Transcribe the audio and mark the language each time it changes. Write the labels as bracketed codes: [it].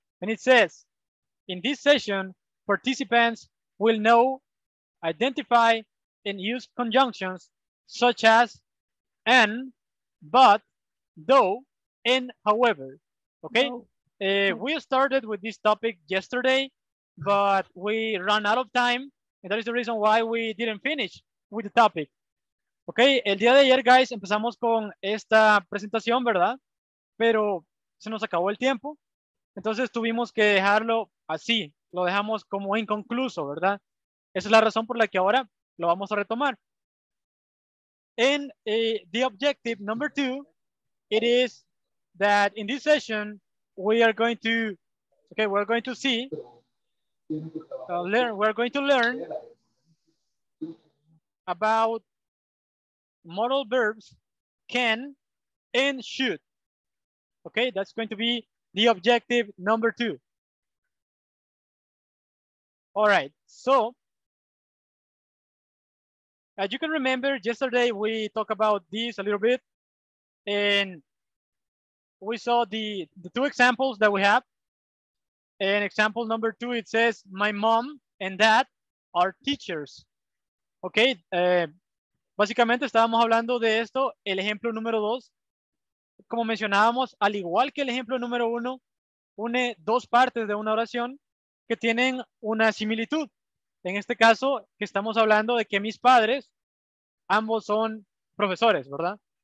[en] And it says, in this session, participants will know, identify, and use conjunctions such as and, but, though, and however. Okay. No. We started with this topic yesterday, but we ran out of time. And that is the reason why we didn't finish with the topic. Okay. [es] El día de ayer, guys, empezamos con esta presentación, ¿verdad? Pero se nos acabó el tiempo. Entonces tuvimos que dejarlo así, lo dejamos como inconcluso, ¿verdad? Esa es la razón por la que ahora lo vamos a retomar. [en] And the objective number two, it is that in this session, we are going to, okay, we're going to see learn, we're going to learn about modal verbs can and should. Okay, that's going to be the objective number two. All right, so as you can remember, yesterday we talked about this a little bit, and we saw the two examples that we have. And example number two, it says, my mom and dad are teachers. [es] Okay, básicamente estábamos hablando de esto, el ejemplo número dos. Como mencionábamos, al igual que el ejemplo número uno, une dos partes de una oración que tienen una similitud. En este caso, que estamos hablando de que mis padres, ambos son profesores, ¿verdad?